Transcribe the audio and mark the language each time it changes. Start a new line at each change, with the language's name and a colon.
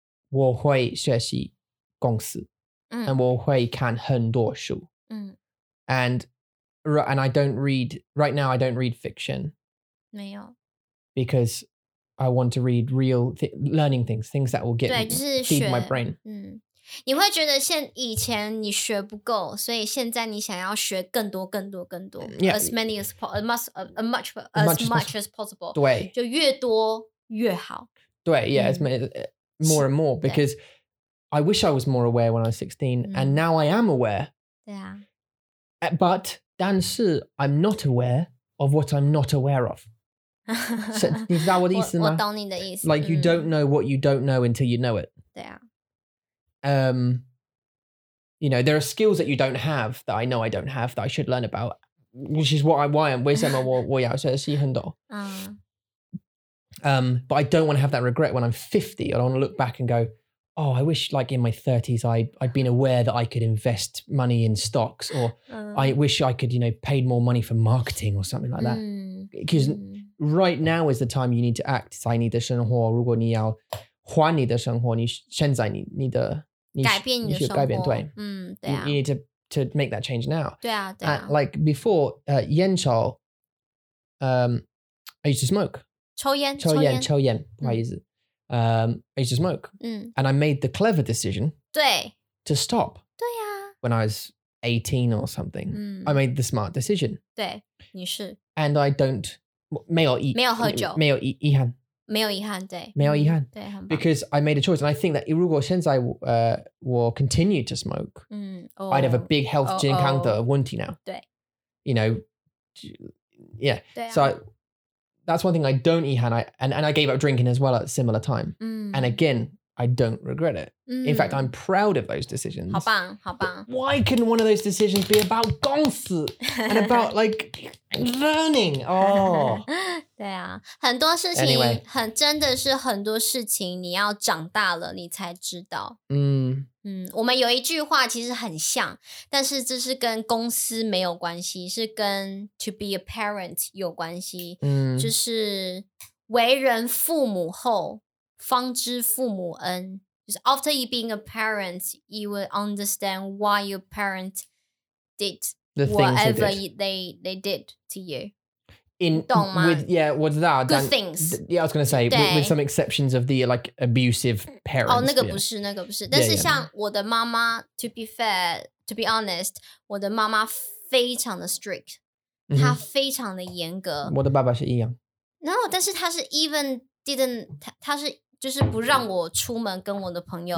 Chinese: 我会学习公司。嗯。 And 我会看很多书。嗯。
English: And I don't read, right now I don't read fiction.
Chinese: 没有。
English: Because I want to read real, learning things, things that will get me, feed my brain. 嗯。
Chinese: 你会觉得以前你学不够，所以现在你想要学更多、更多、更多
English: yeah, ，as many as possible, as much as possible，
Chinese: 对，就越多越好。对
English: ，yeah， as many more and more because I wish I was more aware when I was 16, and now I am aware.
Chinese: 对啊
English: ，but
Chinese: 但是
English: I'm not aware of what I'm not aware of.
Chinese: 是你知道我的意思吗？我懂你的意思。
English: Like you don't know what you don't know until you know it.
Chinese: 对啊。
English: You know, there are skills that you don't have that I know I don't have that I should learn about, which is what I, why I'm,
Chinese: 为什么我要学习很多。
English: But I don't want to have that regret when I'm 50. I don't want to look back and go, oh, I wish like in my 30s, I'd been aware that I could invest money in stocks or I wish I could, you know, paid more money for marketing or something like that. Because right now is the time you need to act.
Chinese: 在你的生活,如果你要换你的生活，你现在你的你改变你的生活，改变对，嗯，对啊。
English: You need to make that change now.
Chinese: 对啊，对啊。
English: Like before, 烟草， I used to smoke.
Chinese: 抽烟，不好意思。
English: I used to smoke. 嗯。 And I made the clever decision.
Chinese: 对。
English: To stop.
Chinese: 对啊。
English: When I was 18 or something, I made the smart decision.
Chinese: 对，你是。
English: And I don't
Chinese: 没有喝酒，没有遗憾。没有遗憾，对。没有遗憾，对，很棒。
English: Because I made a choice, and I think that
Chinese: 如果现在我
English: continue to smoke, I'd have a big health
Chinese: 健康的问题
English: now.
Chinese: 对。
English: You know, yeah.
Chinese: 对啊。
English: So that's one thing I don't 遗憾, and I gave up drinking as well at a similar time. And again, I don't regret it. In fact, I'm proud of those decisions.
Chinese: 好棒，好棒。
English: Why couldn't one of those decisions be about 公司 and about like learning? Oh.
Chinese: 对啊，很多事情
English: anyway,
Chinese: 很真的是很多事情，你要长大了你才知道。我们有一句话其实很像，但是这是跟公司没有关系，是跟
English: to be a parent
Chinese: 有关系。就是为人父母后，方知父母恩。
English: 就是 after you being a parent, you will understand why your parent did the whatever they, did. They did to you. In,
Chinese: 懂吗?
English: With, yeah, what's that? Good things. Yeah, I was going to say, with some exceptions of the, like, abusive parents. Oh,
Chinese: 那个不是,那个不是。但是像我的妈妈,
English: to be fair, to be honest,
Chinese: 我的妈妈非常的 strict. 她非常的严格。我的爸爸是一样。
English: No,
Chinese: 但是她是
English: even didn't,
Chinese: 她是就是不让我出门跟我的朋友